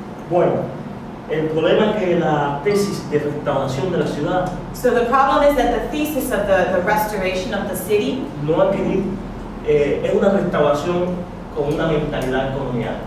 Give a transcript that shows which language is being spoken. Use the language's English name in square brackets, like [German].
[Spanish] Bueno, el problema es que la tesis de restauración de la ciudad. [English] So the problem is that the thesis of the restoration of the city. [Spanish] No ha querido, es una restauración con una mentalidad colonial.